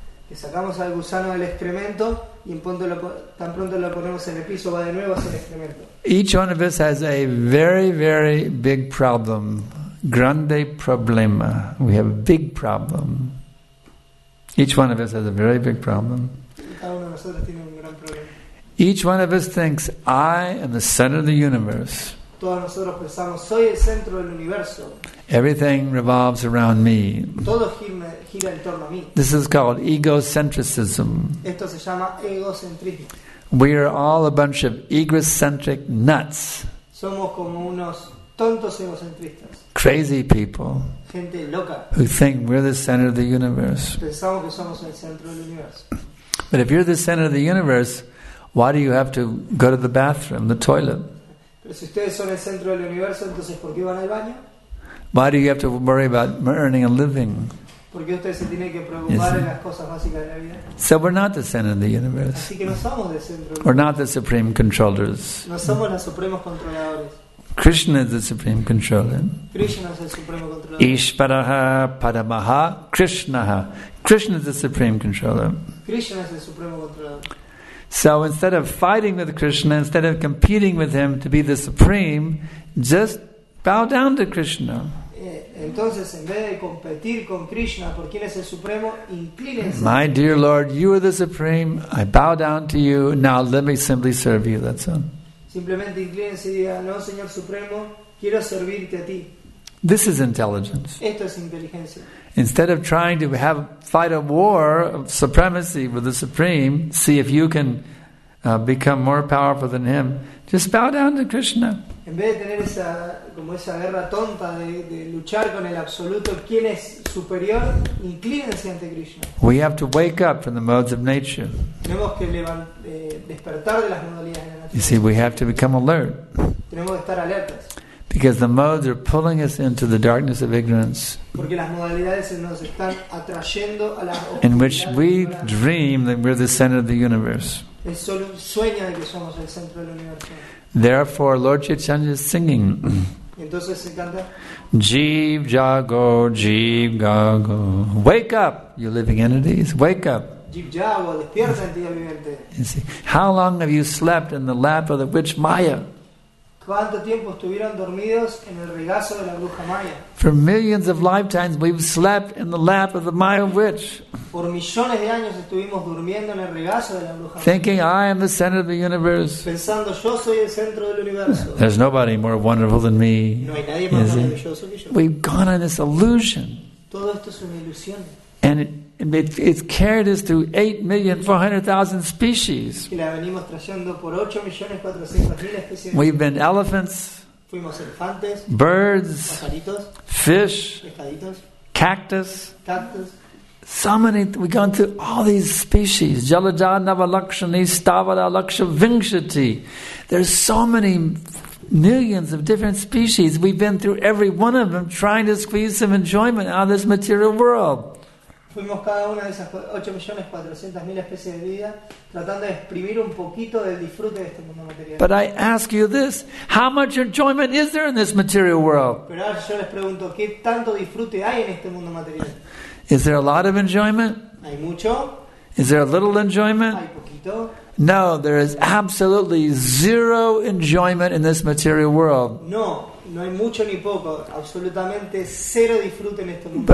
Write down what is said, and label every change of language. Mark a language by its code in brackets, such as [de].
[es] Que sacamos al gusano del excremento y tan pronto lo ponemos en el piso va de nuevo hacia el excremento. [en] Each one of us has a very, very big problem. [es] Grande problema. [en] We have a big problem. Each one of us has a very big problem. [es] Cada uno de nosotros tiene un gran problema. [en] Each one of us thinks, I am the center of the universe. [es] Todos nosotros pensamos, soy el centro del universo. [en] Everything revolves around me. [es] Todo gira en torno a mí. [en] This is called egocentrism. [es] Esto se llama egocentrismo. [en] We are all a bunch of egocentric nuts. [es] Somos como unos tontos egocentristas. [en] Crazy people. [es] Gente loca. [en] Who think we're the center of the universe. [es] Pensamos que somos el centro del universo. [en] But if you're the center of the universe, why do you have to go to the bathroom, the toilet? [es] Pero si ustedes son el centro del universo, entonces ¿por qué van al baño? [en] Why do you have to worry about earning a living? [es] Porque usted se tiene que preocupar en las cosas básicas de la vida. [en] So we're not the center of the universe. [es] Así que no somos el centro. [en] We're not the supreme controllers. [es] No somos los supremos controladores. [en] Krishna is the supreme controller. [es] Krishna es el supremo controlador. [sa] Ishvaraha Paramaha Krishnaha. [en] Krishna is the supreme controller. [es] Krishna es el supremo controlador. [en] So instead of fighting with Krishna, instead of competing with him to be the supreme, just bow down to Krishna. [es] Entonces, en vez de competir con Krishna por quién es el supremo, inclínense. [en] My dear Lord, you are the supreme. I bow down to you. Now let me simply serve you. That's all. [es] Simplemente inclínense y diga, no, señor supremo, quiero servirte a ti. [en] This is intelligence. [es] Esto es inteligencia. [en] Instead of trying to have fight a war of supremacy with the supreme, see if you can become more powerful than him. Just bow down to Krishna. [es] En vez de tener esa como esa guerra tonta de luchar con el absoluto, quién es superior, inclínense ante Krishna. [en] We have to wake up from the modes of nature. [es] Tenemos que despertar de las modalidades de la naturaleza. [en] You see, we have to become alert. [es] Tenemos que estar alertas. [en] Because the modes are pulling us into the darkness of ignorance. [es] Porque las modalidades nos están atrayendo a la oscuridad. [en] In which we dream that we're the center of the universe. [es] Es solo un sueño de que somos el centro del universo. [en] Therefore, Lord Chaitanya is singing. [es] Entonces, canta. [bn] Jeev Jago, Jeev Gago. [en] Wake up, you living entities, wake up. [es] Jeev Jago, despierta en ti, viviente. [en] You see, how long have you slept in the lap of the witch Maya? [es] ¿Cuánto tiempo estuvieron dormidos en el regazo de la bruja Maya? [en] For millions of lifetimes, we've slept in the lap of the Maya witch. [es] Por millones de años estuvimos durmiendo en el regazo de la bruja Maya. [en] Thinking I am the center of the universe. [es] Pensando yo soy el centro del universo. [en] There's nobody more wonderful than me. [es] No hay nadie más maravilloso que yo. [en] We've gone on this illusion. [es] Todo esto es una ilusión. [en] And it's carried us through 8,400,000 species. [es] Y la venimos trayendo por 8,400,000 especies. [en] We've been elephants. [es] Fuimos elefantes. [en] Birds. [es] Pajaritos. [en] Fish. [es] Pescaditos. [en] Cactus. [es] Cactus. [en] So many, we've gone through all these species. [sa] Jalaja Navalakshani Stavara Lakshavinshati. [en] There's so many millions of different species. We've been through every one of them trying to squeeze some enjoyment out of this material world. [es] Fuimos cada una de esas 8,400,000 especies de vida tratando de exprimir un poquito del disfrute de este mundo material. [en] But I ask you this, how much enjoyment is there in this material world? [es] Pero ahora yo les pregunto, ¿qué tanto disfrute hay en este mundo material? [en] Is there a lot of enjoyment? [es] ¿Hay mucho? [en] Is there a little enjoyment? [es] ¿Hay poquito? [en] No, there is absolutely zero enjoyment in this material world. [es] No, no hay mucho ni poco, absolutamente cero disfrute en este mundo.